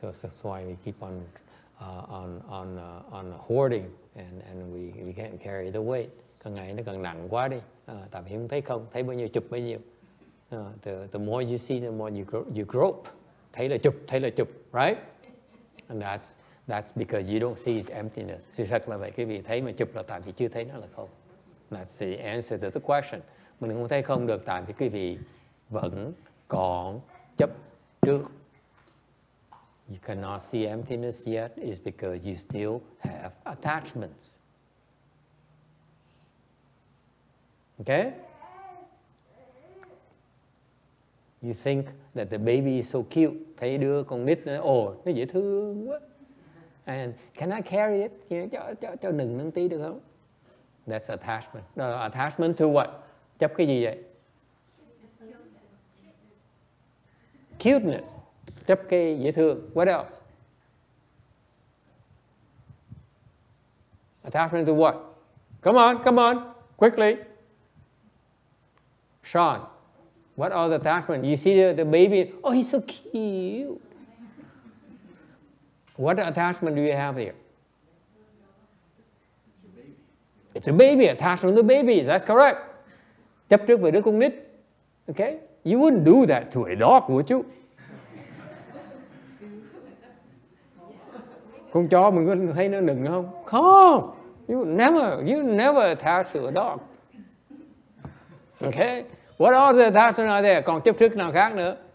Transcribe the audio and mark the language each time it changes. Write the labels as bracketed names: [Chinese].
[English] So that's why we keep on hoarding and we can't carry the weight. [Vietnamese] Càng ngày nó càng nặng quá đi. Tại vì không thấy không, thấy bao nhiêu chụp bao nhiêu. [English] The more you see, the more you grope. [Vietnamese] Thấy là chụp, [English] right? And that's because you don't see its emptiness. [Vietnamese] Sự thật là vậy. Quý vị thấy mà chụp là tại vì chưa thấy nó là không. [English] That's the answer to the question. [Vietnamese] Mình không thấy không được tại vì quý vị vẫn còn chấp trước. [English] You cannot see emptiness yet is because you still have attachments. Okay? You think that the baby is so cute. [Vietnamese] Thấy đứa con nít nó, nó dễ thương quá. [English] And can I carry it? [Vietnamese] Cho nừng nó tí được không? [English] That's attachment. Attachment to what? [Vietnamese] Chấp cái gì vậy? Cuteness. Chấp cái dễ thương. [English] What else? Attachment to what? Come on, quickly. Sean, what are the attachments? You see the baby, he's so cute. What attachment do you have here? It's a baby. Attachment to babies. That's correct. [Vietnamese] Chấp trước về đứa con nít. [English] Okay? You wouldn't do that to a dog, would you? [Vietnamese] Con chó mình có thấy nó nựng không? [English] Không. You never attach to a dog. Okay? What are the attachments are there? [Vietnamese] Còn chấp trước nào khác nữa?